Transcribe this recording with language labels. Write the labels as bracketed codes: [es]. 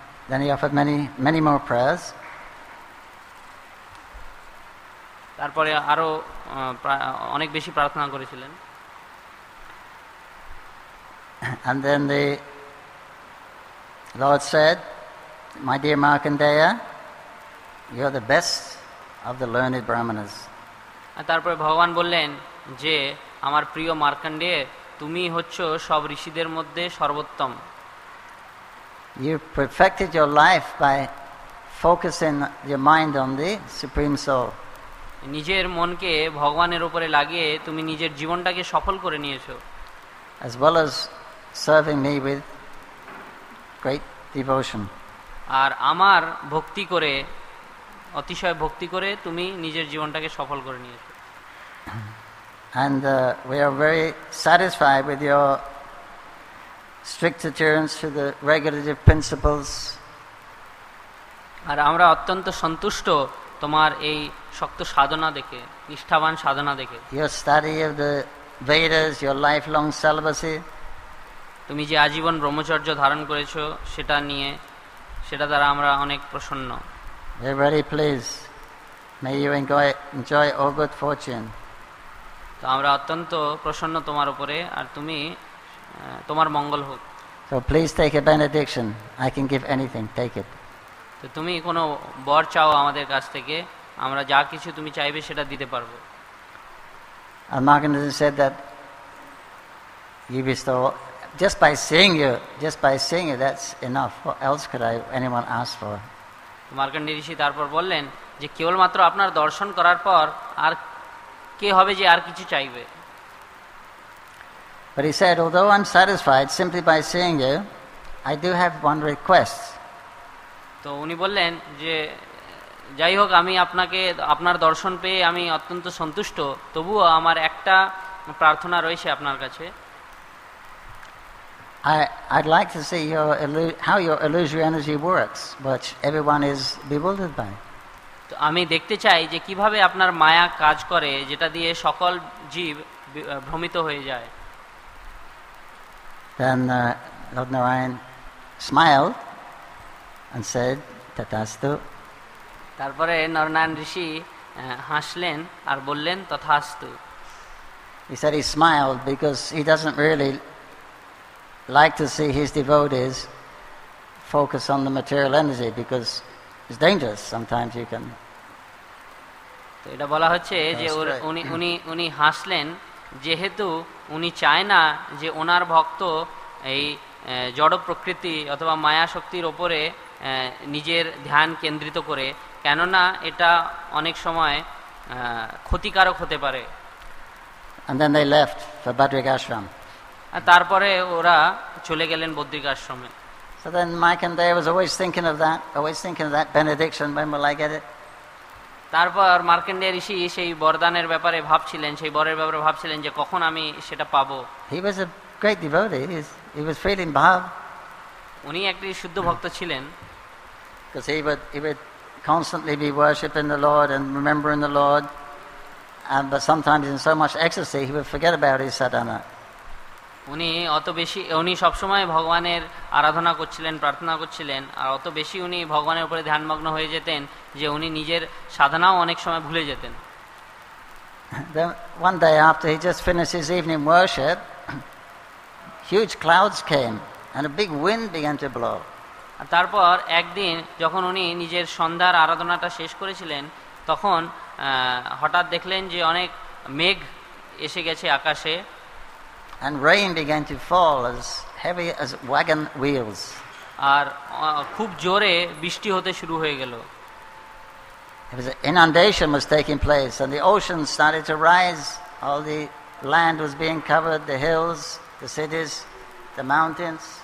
[en] Then he offered many, many more prayers. [bn] তারপরে আরো অনেক বেশি প্রার্থনা করেছিলেন. [en] And then the Lord said, "My dear Markandeya, you are the best of the learned brahmanas." [bn] তারপরে ভগবান বললেন যে আমার প্রিয় মার্কণ্ডেয়, তুমি হচ্ছে সব ঋষিদের মধ্যে সর্বোত্তম. [en] You perfected your life by focusing your mind on the supreme soul. [bn] নিজের মনকে ভগবানের উপরে লাগিয়ে তুমি নিজের জীবনটাকে সফল করে নিয়েছো. [en] As well as serving me with great devotion. [bn] আর আমার ভক্তি করে, অতিশয় ভক্তি করে তুমি নিজের জীবনটাকে সফল করে নিয়েছো. [en] And we are very satisfied with your strict adherence to the regulative principles. [bn] আর আমরা অত্যন্ত সন্তুষ্ট তোমার এই শক্ত সাধনা দেখে, নিষ্ঠাবান সাধনা দেখে. [en] Your study of the Vedas, your lifelong celibacy. [bn] তুমি যে আজীবন ব্রহ্মচর্য ধারণ করেছো সেটা নিয়ে, সেটা দ্বারা আমরা অনেক প্রসন্ন. [en] We are very pleased. May you enjoy all good fortune. [bn] তো আমরা অত্যন্ত প্রসন্ন তোমার উপরে, আর তুমি তোমার মঙ্গল হোক. [en] So please take a benediction. I can give anything. Take it. [bn] তো তুমি কোনো বর চাও আমাদের কাছ থেকে, আমরা যা কিছু তুমি চাইবে সেটা দিতে পারবো. [en] And Markandeya said that you bestow just by seeing you that's enough. What else could anyone ask for? [bn] Markandey ঋষি তারপর বললেন যে কেবলমাত্র আপনার দর্শন করার পর আর কে হবে যে আর কিছু চাইবে. [en] But he said, although I'm satisfied simply by seeing you, I do have one request. [bn] তো উনি বললেন যে যাই হোক, আমি আপনাকে, আপনার দর্শন পেয়ে আমি অত্যন্ত সন্তুষ্ট, তবুও আমার একটা প্রার্থনা রয়েছে আপনার কাছে. [en] I'd like to see how your illusory energy works, which everyone is bewildered by. [bn] তো আমি দেখতে চাই যে কিভাবে আপনার মায়া কাজ করে যেটা দিয়ে সকল জীব ভ্রমিত হয়ে যায়. [en] Then Lord Narayan smiled and said, "Tathastu." [bn] তারপরে নরনারায়ণ ঋষি হাসলেন আর বললেন তথাস্তু. [en] He said he smiled because he doesn't really like to see his devotees focus on the material energy because it's dangerous. Sometimes you can. [bn] তো এটা বলা হচ্ছে যে উনি হাসলেন যেহেতু উনি চায় না যে ওনার ভক্ত এই জড় প্রকৃতি অথবা মায়া শক্তির ওপরে নিজের ধ্যান কেন্দ্রিত করে, কেননা এটা অনেক সময় ক্ষতিকারক হতে পারে. [en] And then they left for Bhadrika Ashram. [bn] তারপরে ওরা চলে গেলেন বদ্রিক আশ্রমে. [en] So then Markandeya was always thinking of that benediction, when will I get it? [bn] তারপর মার্কণ্ডেয় ঋষি সেই বরদানের ব্যাপারে ভাবছিলেন, সেই বরের ব্যাপারে ভাবছিলেন যে কখন আমি সেটা পাবো. [en] He was a great devotee. He was feeling bhav. [bn] উনি একটি শুদ্ধ ভক্ত ছিলেন. [en] Because he would constantly be worshipping the Lord and remembering the Lord, and but sometimes in so much ecstasy he would forget about his sadhana. [bn] উনি অত বেশি, উনি সবসময় ভগবানের আরাধনা করছিলেন, প্রার্থনা করছিলেন, আর অত বেশি উনি ভগবানের উপরে ধ্যানমগ্ন হয়ে যেতেন যে উনি নিজের সাধনাও অনেক সময় ভুলে যেতেন. [en] Then one day after he just finished his evening worship, huge clouds came and a big wind began to blow. [bn] আর তারপর একদিন যখন উনি নিজের সন্ধ্যার আরাধনাটা শেষ করেছিলেন, তখন হঠাৎ দেখলেন যে অনেক মেঘ এসে গেছে আকাশে. [en] And rain began to fall as heavy as wagon wheels. [bn] আর খুব জোরে বৃষ্টি হতে শুরু হয়ে গেল. [en] There was an inundation was taking place and the ocean started to rise. All the land was being covered, the hills, the cities, the mountains.